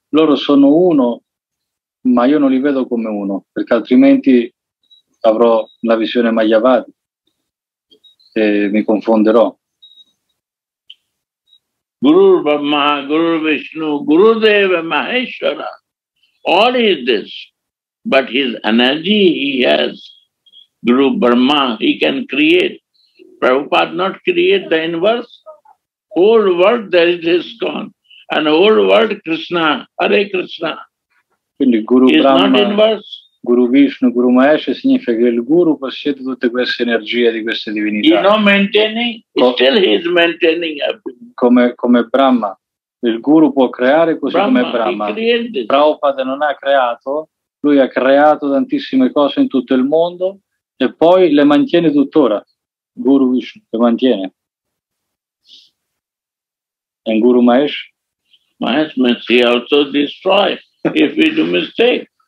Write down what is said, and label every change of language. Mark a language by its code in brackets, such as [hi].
[it] Loro sono uno, ma io non li vedo come uno, perché altrimenti avrò la visione Mayavad e mi confonderò. [en] Guru Brahma, Guru Vishnu, Guru Deva, Maheshwara, all is this, but his energy he has, Guru Brahma, he can create. Prabhupada not create the universe. Whole world there is ISKCON. And whole world Krishna, Hare Krishna. [it] Quindi Guru [en] is Brahma, not universe. [it] Guru Vishnu, Guru Mahesh significa che il Guru possiede tutte queste energie di queste divinità. [en] He not maintaining, still he is maintaining everything. [it] Come Brahma. Il Guru può creare così Brahma, come Brahma. [en] He [it] Prabhupada non ha creato, lui ha creato tantissime cose in tutto il mondo e poi le mantiene tuttora. Guru Vishnu, mantiene. [en] And Guru Mahesh? Mahesh means he also destroy if we do mistake.